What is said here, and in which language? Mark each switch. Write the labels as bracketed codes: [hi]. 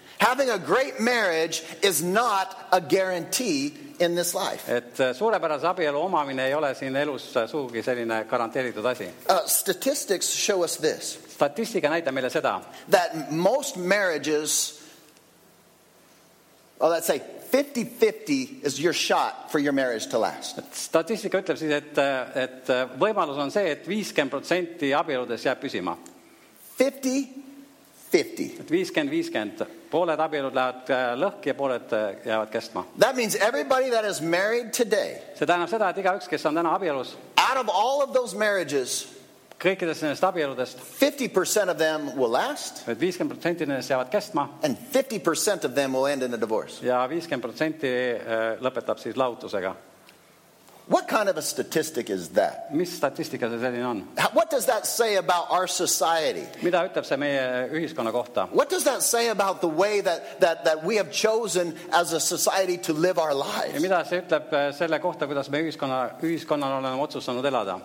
[en] Having a great marriage is not a guarantee in this life. [et] Et suurepärase abielu omamine ei ole siin elus sugugi selline garanteeritud asi. [en] Statistics show us this. [et] Statistika näitab meile seda. [en] That most marriages, well, let's say 50-50 is your shot for your marriage to last. [et] Statistika ütleb siis, et võimalus on see, et 50% abieludes jääb püsima. [en] 50-50. [et] Pooled abielud lähevad lõhki ja pooled jäävad kestma. [en] That means everybody that is married today. [et] See tähendab seda, et igaüks, kes on täna abielus. [en] Out of all of those marriages. [et] Kõikidest nendest abieludest. [en] 50% of them will last. [et] 50% nendest jäävad kestma. [en] And 50% of them will end in a divorce. [et] Ja 50% lõpetab siis lahutusega. [en] What kind of a statistic is that? [et] Mis statistika see selline on? [en] What does that say about our society? [et] Mida ütleb see meie ühiskonna kohta? [en] What does that say about the way that we have chosen as a society to live our lives? [et] Ja mida see ütleb selle kohta, kuidas me ühiskonnal oleme otsustanud elada?